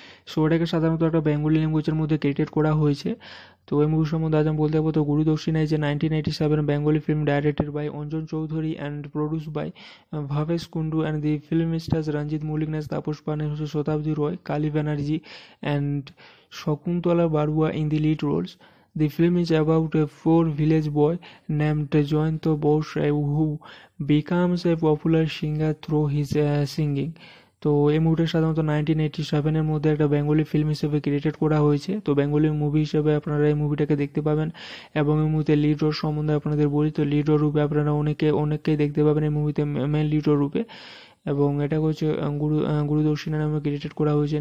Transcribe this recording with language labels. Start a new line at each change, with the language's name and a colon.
Bangla: So এটাকে সাধারণত একটা বেঙ্গলি ল্যাঙ্গুয়েজের মধ্যে ক্রিয়েটেড করা হয়েছে। তো এই মুভি সম্বন্ধে আজ আমি বলতে যাবো, তো গুরু দক্ষিণা যে 1997 Bengali film,
English: Directed by Anjan Chowdhury and produce by Bhabesh Kundu, and the film stars Ranjit Mallick, নেস তাপস পাল, হচ্ছে Satabdi Roy, Kali Banerjee and Sakuntala Barua in the lead roles. The film is about a poor village boy named Jayanta Bose who becomes a popular singer through his singing.
Bangla: তো এই মুভিটা সাধারণত 1987 মধ্যে একটা Bengali film হিসেবে created করা হয়েছে। তো বেঙ্গলি মুভি হিসেবে আপনারা এই মুভিটাকে দেখতে পাবেন। এবং এই মুভিতে লিড রোল সম্বন্ধে আপনাদের বলি, তো লিড রোল রূপে আপনারা অনেকে অনেককেই দেখতে পাবেন এই মুভিতে মেন লিড রোল রূপে। এবং এটা হচ্ছে গুরু দক্ষিণা নামে ক্রিয়েটেড করা হয়েছে।